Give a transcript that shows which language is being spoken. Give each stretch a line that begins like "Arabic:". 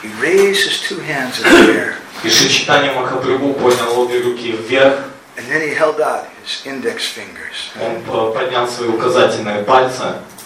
English: He raised his two hands in the air.
Russian: И Шри Чайтанья Махапрабху поднял обе руки вверх.
English: And then he held out his index fingers.
Russian: Он поднял свои указательные пальцы.